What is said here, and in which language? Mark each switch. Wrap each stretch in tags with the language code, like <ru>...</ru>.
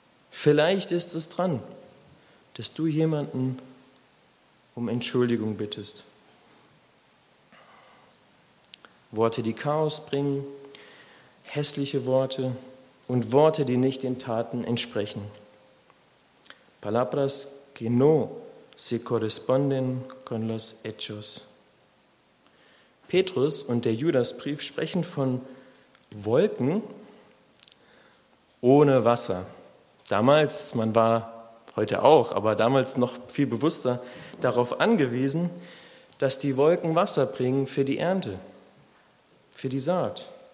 <de>Vielleicht ist es dran, dass du jemanden um Entschuldigung bittest. Worte, die Chaos bringen, hässliche Worte und Worte, die nicht den Taten entsprechen.</de> <es>Palabras que no se corresponden con los hechos.</es> <de>Petrus und der Judasbrief sprechen von Wolken ohne Wasser. Damals, man war heute auch, aber damals noch viel bewusster darauf angewiesen, dass die Wolken Wasser bringen für die Ernte, für die Saat.</de>